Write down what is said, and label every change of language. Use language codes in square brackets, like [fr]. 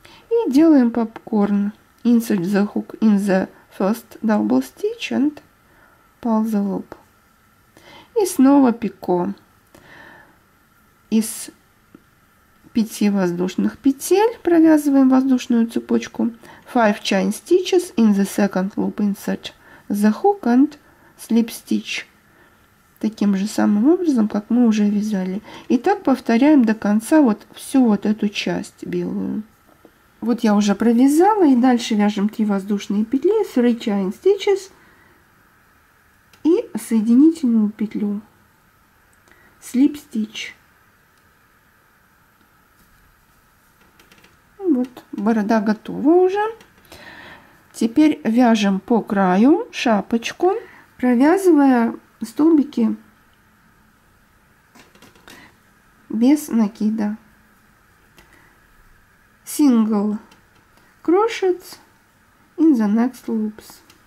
[ru] И делаем попкорн. [en] Insert the hook in the first double stitch and pull the loop. [ru] И снова пико из 5 воздушных петель, провязываем воздушную цепочку. [en] 5 chain stitches in the second loop, insert the hook and slip stitch. [ru] Таким же самым образом, как мы уже вязали. И так повторяем до конца вот всю вот эту часть белую. Вот я уже провязала, и дальше вяжем 3 воздушные петли, [en] 3 chain stitches [ru] и соединительную петлю, [en] slip stitch. [ru] Вот борода готова уже. Теперь вяжем по краю шапочку, провязывая столбики без накида. [en] Single crochets in the next loops.